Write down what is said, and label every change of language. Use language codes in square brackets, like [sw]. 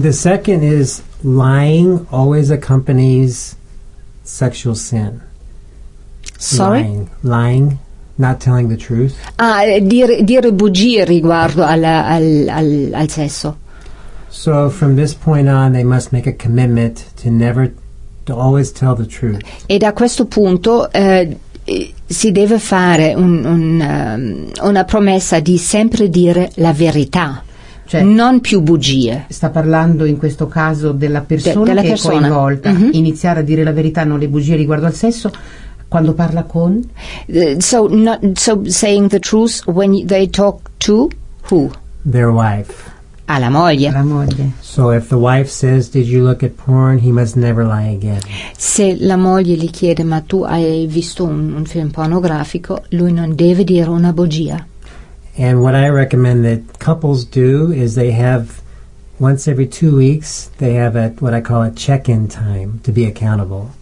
[en] The second is lying always accompanies sexual sin. Sorry? Lying, not telling the truth. [it] Ah, dire bugie riguardo al sesso. [en] So from this point on, they must make a commitment to never, to always tell the truth. [it] E da questo punto si deve fare una promessa di sempre dire la verità. Cioè, non più bugie. Sta parlando in questo caso della persona della che persona. È coinvolta. Mm-hmm. Iniziare a dire la verità, non le bugie riguardo al sesso. Quando parla con? [en] So saying the truth when they talk to who? Their wife. [it] Alla moglie. Alla moglie. [en] So if the wife says, "Did you look at porn?" he must never lie again. [it] Se la moglie gli chiede, ma tu hai visto un film pornografico? Lui non deve dire una bugia. [en] And what I recommend that couples do is they have once every 2 weeks they have what I call a check-in time to be accountable.